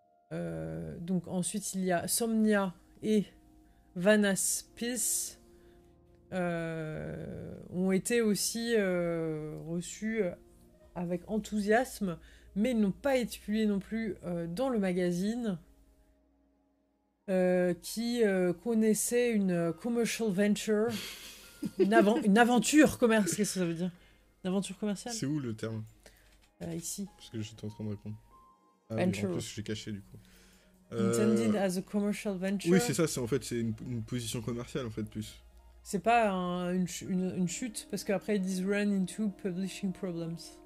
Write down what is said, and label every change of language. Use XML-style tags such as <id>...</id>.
<fr>Donc ensuite, il y a Somnia et Vanaspis ont été aussi reçus avec enthousiasme, mais ils n'ont pas été publiés non plus dans le magazine. Connaissait une</fr> <en>commercial venture,</en> <fr>une aventure commerciale, qu'est-ce que ça veut dire? Une aventure commerciale? C'est où le terme? Ici. Parce que j'étais en train de répondre. Ah, venture. Oui, en plus, j'ai caché du coup.</fr> <en>Intended as a commercial venture.</en> <fr>Oui, c'est ça, c'est une position commerciale en fait, plus. C'est pas une chute, parce qu'après ils disent</fr> <en>run into publishing problems.</en>